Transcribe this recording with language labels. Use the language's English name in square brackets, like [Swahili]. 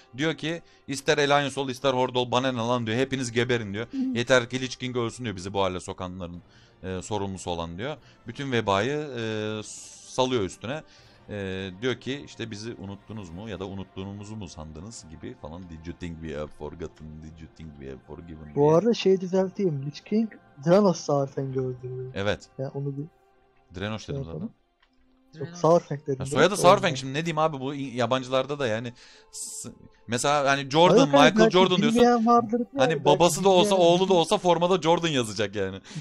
[Turkish] Diyor ki ister Alliance ol ister Horde ol bana ne lan diyor. Hepiniz geberin diyor. Yeter ki Lich King ölsün diyor bizi bu hale sokanların sorumlusu olan diyor. Bütün vebayı salıyor üstüne. Diyor ki işte bizi unuttunuz mu ya da unuttuğumuzu mu sandınız gibi falan. [English] Did you think we have forgotten? Did you think we have forgiven? [Turkish] Bu arada şeyi düzelteyim. Lich King Drenos Saurfang'ı öldürüyor. Evet. Ya yani onu bir... Drenos dedim zaten. Yok Saurfang dedim. Soyadı Saurfang şimdi ne diyeyim abi bu yabancılarda da yani. Mesela hani Jordan, hayır, Michael hayır, Jordan diyorsun. Vardır, hani belki babası da olsa oğlu da olsa formada Jordan yazacak yani.